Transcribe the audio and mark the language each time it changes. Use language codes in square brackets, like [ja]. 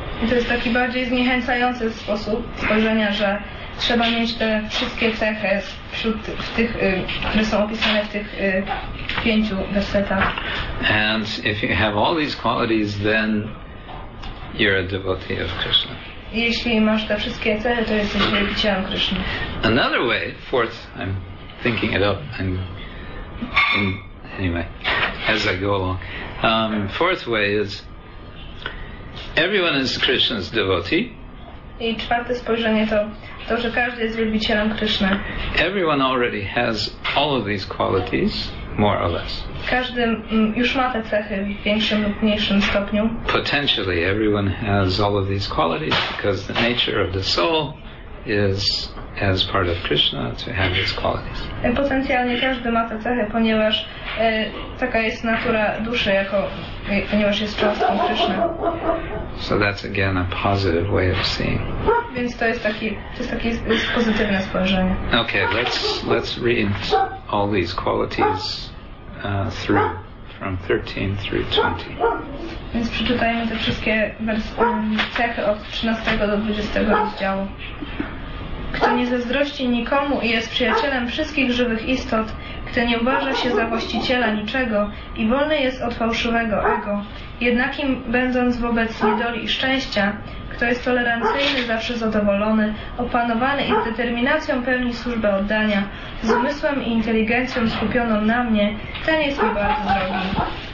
[pl] To jest taki bardziej zniechęcający sposób spojrzenia, że trzeba mieć te wszystkie cechy wśród tych, które są opisane w tych pięciu wersetach. [en] And if you have all these qualities, then you're a devotee of Krishna. [pl] Jeśli masz te wszystkie cechy, to jesteś wielbicielem Krishna. [en] Another way, fourth, I'm thinking it up, and anyway, as I go along. Fourth way is, everyone is Krishna's devotee. [pl] I czwarte spojrzenie to to, że każdy jest wielbicielem Krishna. [en] Everyone already has all of these qualities, more or less. [pl] Każdy już ma te cechy w większym lub mniejszym stopniu. [en] Potentially everyone has all of these qualities because the nature of the soul is as part of Krishna to have these qualities. [pl] Potencjalnie każdy ma te cechy, ponieważ taka jest natura duszy, jako ponieważ jest częścią Krishna. [en] So that's again a positive way of seeing. [pl] Więc to jest taki pozytywne spojrzenie. [en] Okay, let's read all these qualities through from 13 through 20. [pl] Więc przeczytajmy te wszystkie cechy od 13 do 20 rozdziału. Kto nie zazdrości nikomu i jest przyjacielem wszystkich żywych istot, kto nie uważa się za właściciela niczego i wolny jest od fałszywego ego, jednakim będąc wobec niedoli i szczęścia, kto jest tolerancyjny, zawsze zadowolony, opanowany i z determinacją pełni służbę oddania, z umysłem i inteligencją skupioną na mnie, ten jest mi bardzo drogi.